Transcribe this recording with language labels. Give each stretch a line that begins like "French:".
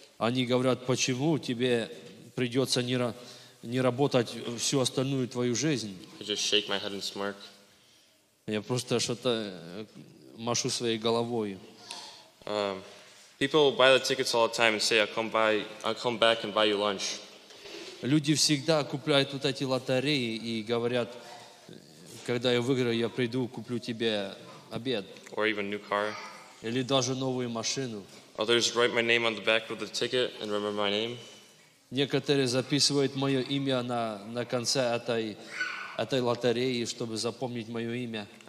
Russian: Они говорят, почему тебе придется не работать всю остальную твою жизнь.
English: I just shake my head and smirk.
Russian: Я просто что-то машу своей головой.
English: People buy the tickets all the time and say, I'll come back and buy you lunch.
Russian: Люди всегда купляют вот эти лотереи и говорят, когда я выиграю, я приду, куплю тебе обед.
English: Or even new car.
Russian: Или даже новую машину.
English: Others write my name on the back of the ticket and remember my name.
Russian: Некоторые записывают мое имя на конце этой лотереи, чтобы запомнить мое имя.